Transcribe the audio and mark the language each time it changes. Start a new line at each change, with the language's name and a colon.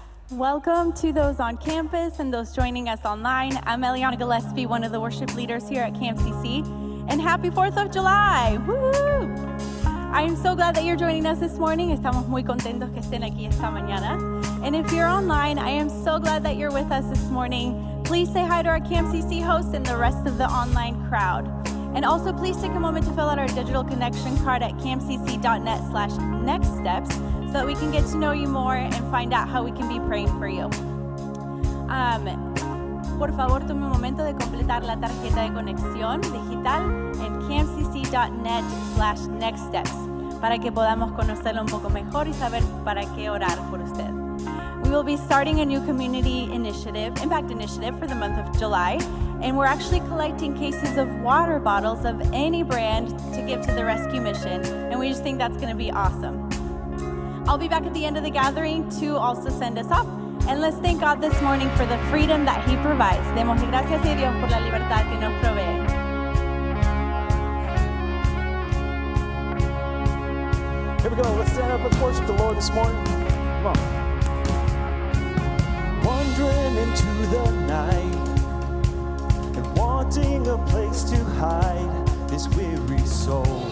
English: Welcome to those on campus and those joining us online. I'm Eliana Gillespie, one of the worship leaders here at Camp CC, and happy 4th of July! Woo-hoo! I am so glad that you're joining us this morning.
Spanish: Estamos muy contentos que estén aquí esta mañana.
English: And if you're online, I am so glad that you're with us this morning. Please say hi to our Camp CC host and the rest of the online crowd. And also, please take a moment to fill out our digital connection card at campcc.net/nextsteps. So that we can get to know you more and find out how we can be praying for you.
Spanish: Por favor, tome un momento de completar la tarjeta de conexión digital en campcc.net/nextsteps para que podamos conocerlo un poco mejor y saber para qué orar por usted.
English: We will be starting a new community initiative, impact initiative, for the month of July, and we're actually collecting cases of water bottles of any brand to give to the rescue mission, and we just think that's going to be awesome. I'll be back at the end of the gathering to also send us off. And let's thank God this morning for the freedom that He provides.
Spanish: Demos gracias a Dios por la libertad que nos provee.
English: Here we go. Let's stand up and worship the Lord this morning. Come on. Wandering into the night and wanting a place to hide this weary soul.